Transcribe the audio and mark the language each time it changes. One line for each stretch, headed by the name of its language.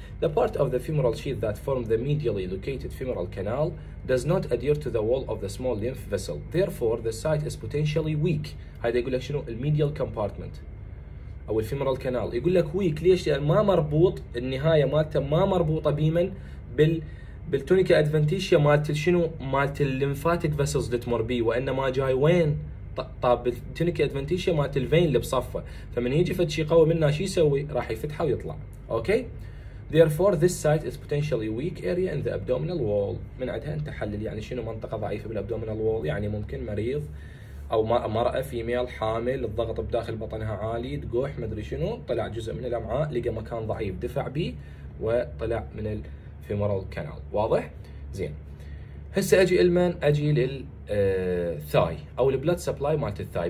English: The part of the femoral sheath that forms the medially located femoral canal does not adhere to the wall of the small lymph vessel. Therefore, the site is potentially weak.
Arabic: هاي يقول لك شنو؟ الميديال كومبارتمنت او الفيمورال كانال. يقول لك ويك ليش؟ لان ما مربوط، النهايه مالته ما مربوطه بيمن بالتونيكا ادفنتيشيا مالت شنو؟ مالت الليمفاتيك فيسلز اللي تمر بيه، وانما جاي وين؟ طاب التونيكا ادفنتيشيا مالت الفين اللي بصفه، فمن يجي فد شيء قوي منها شو يسوي؟ راح يفتحه ويطلع.
English: Okay? Therefore this site is potentially weak area in the abdominal wall.
Arabic: من عندها انت حلل يعني شنو منطقه ضعيفه بالابدومينال وول، يعني ممكن مريض او مرأة فيميل حامل الضغط بداخل بطنها عالي، تقوح ما ادري شنو، طلع جزء من الامعاء لقى مكان ضعيف دفع به وطلع من femoral canal. واضح؟ زين، هسه اجي المان، اجي للثاي او البلاد سبلاي مالت الثاي.